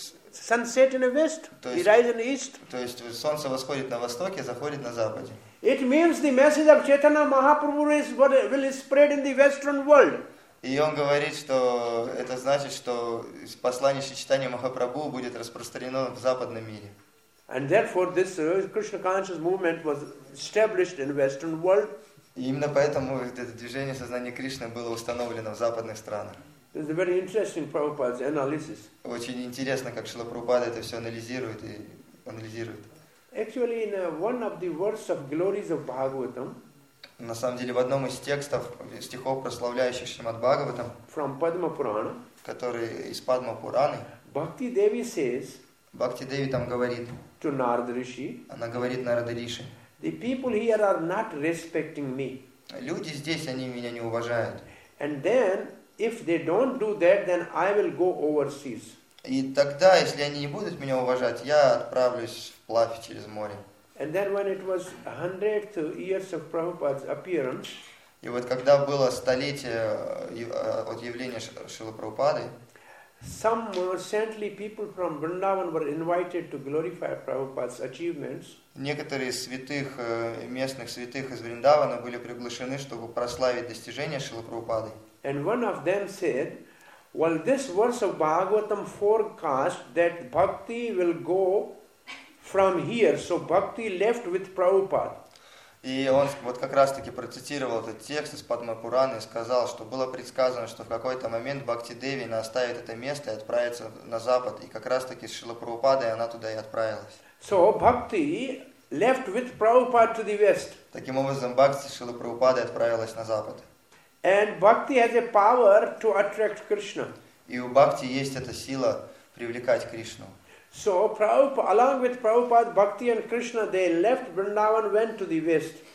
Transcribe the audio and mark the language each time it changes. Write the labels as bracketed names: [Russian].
[English] Sun set in the west, he rise in the east. [Russian] То есть солнце восходит на востоке, заходит на западе. [English] It means the message of Chaitanya Mahaprabhu is what will spread in the western world. [Russian] И он говорит, что это значит, что послание Чайтанья Махапрабху будет распространено в западном мире. [English] And therefore this Krishna conscious movement was established in western world. [Russian] И именно поэтому это движение сознания Кришны было установлено в западных странах. [English] This is a very interesting Prabhupada's analysis. [Russian] Очень интересно, как Шрила Прабхупада это все анализирует и анализирует. [English] Actually, in one of the verses of glories of Bhagavatam, [Russian] на самом деле, в одном из текстов, стихов, прославляющих Шримад Бхагаватам, [English] from Padma Purana, [Russian] который из Падма Пураны, [English] Bhakti Devi says, [Russian] Bhakti Devi там говорит, [English] to Narada Rishi, [Russian] она говорит Нарада Риши, [English] the people here are not respecting me. [Russian] Люди здесь, они меня не уважают. [English] And then, if they don't do that, then I will go overseas. [Russian] И тогда, если они не будут меня уважать, я отправлюсь вплавь через море. [English] And then when it was 100th years of Prabhupada's appearance, [Russian] и вот когда было столетие от явления Шрилы Прабхупады, [English] some saintly people from Vrindavan were invited to glorify Prabhupada's achievements. [Russian] Некоторые святых, местных святых из Вриндавана были приглашены, чтобы прославить достижения Шрилы Прабхупады. [English] And one of them said, well, this verse of Bhagavatam forecast that bhakti will go from here, so bhakti left with Prabhupada. [Russian] И он вот как раз-таки процитировал этот текст из Падма Пураны и сказал, что было предсказано, что в какой-то момент Бхакти Деви оставит это место и отправится на запад. И как раз-таки с Шрилой Прабхупадой она туда и отправилась. [English] So bhakti left with Prabhupada to the west. [Russian] Таким образом, Бхакти с Шрилой Прабхупадой отправилась на запад. [English] And bhakti has a power to attract Krishna. [Russian] И у бхакти есть эта сила привлекать Кришну. [English] So Prabhupada, along with Prabhupada, Bhakti and Krishna, they left Vrindavan, went to the west.